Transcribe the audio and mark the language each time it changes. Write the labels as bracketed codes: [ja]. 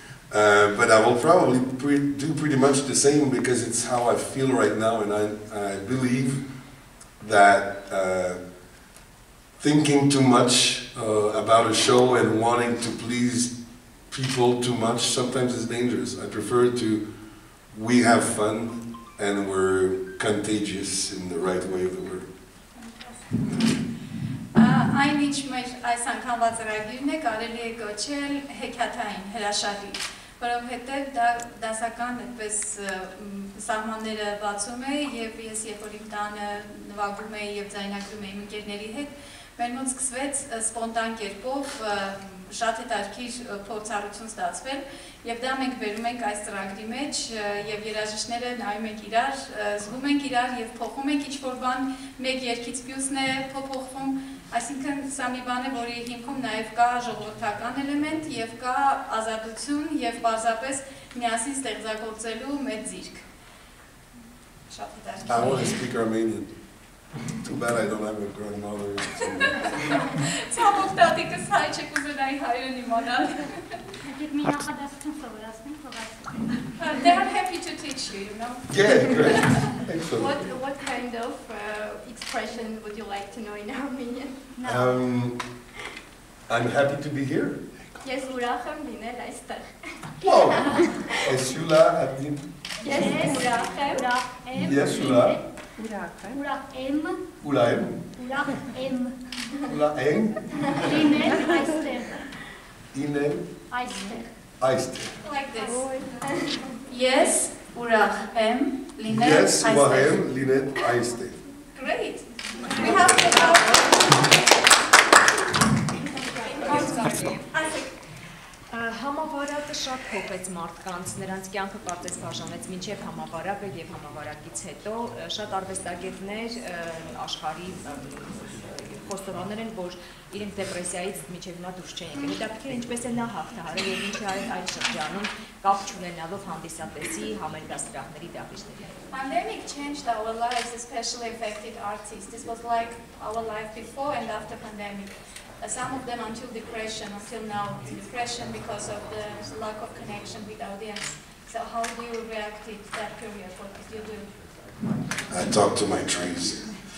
[en] But I will probably do pretty much the same because it's how I feel right now, and I believe that thinking too much about a show and wanting to please people too much sometimes is dangerous. I prefer we have fun and we're contagious in the right way of the word. I [hy] այն ինչ մեր այս անգամվա ծրագիրն է, կարելի է կոչել հեքիաթային հրաշալի, որովհետև դա դասական այդպես սահմանները բացում է, եւ ես երբ որ իմ տանը նվագում էի եւ ձայնագրում էի ընկերների հետ, մեր մոտ սկսվեց սպոնտան կերպով շատ հետաքրքիր փորձառություն ստացվել, եւ դա մենք վերում ենք այս ծրագրի մեջ, եւ երաժիշները նայում ենք իրար, զգում ենք իրար եւ փոխում ենք ինչ-որ բան, մեկ երգից մյուսն է փոփոխվում, այսինքն սա մի բան է, որի հիմքում նաեւ կա ժողովրդական էլեմենտ եւ կա ազատություն եւ պարզապես միասին ստեղծագործելու մեր ձիրք։ Շատ հետաքրքիր։ [en] I want to speak Armenian. Too bad I don't have a grandmother. [hy] Ցավոք տատիկս հայ չէ, կուզենայի հայրեն իմանալ։ Եթե մի նախադասություն սովորացնեմ, կհասցնեմ։ [en] They are happy to teach you, you know. Yeah, great. Excellent. What kind of expression would you like to know in Armenian? I'm happy to be here. [hy] Ես ուրախ եմ լինել այստեղ։ [en] Wow. [hy] Ես ուրախ եմ լինել։ Ես ուրախ եմ, ուրախ եմ։ Ես ուրախ եմ։ Ուրախ եմ։ Ուրախ եմ։ Ուրախ եմ։ Ուրախ եմ։ Լինել այստեղ։ Լինել այստեղ։ Այստեղ։ [en] Like this. Yes, [hy] ուրախ եմ լինել այստեղ։ [en] Yes, [hy] ուրախ եմ լինել այստեղ։ [en] Great. We have to go. [hy] Համավարակը շատ փոխեց մարդկանց, նրանց կյանքը պարզապես բաժանվեց մինչև համավարակը եւ համավարակից հետո։ Շատ արվեստագետներ աշխարհի խոստովաններ են, որ իրենք դեպրեսիայից մինչև հիմա դուրս չեն եկել։ Դա թե ինչպես է նա հաղթահարել եւ ինչի այդ շրջանում կապ չունենալով հանդիսատեսի համերգասրահների դահլիճներին։ [en] Pandemic changed our lives, especially affected artists. This was like our life before and after pandemic. Some of them until depression, until now depression because of the lack of connection with audience. So how do you react to that period? What did you do? I talked to my trees.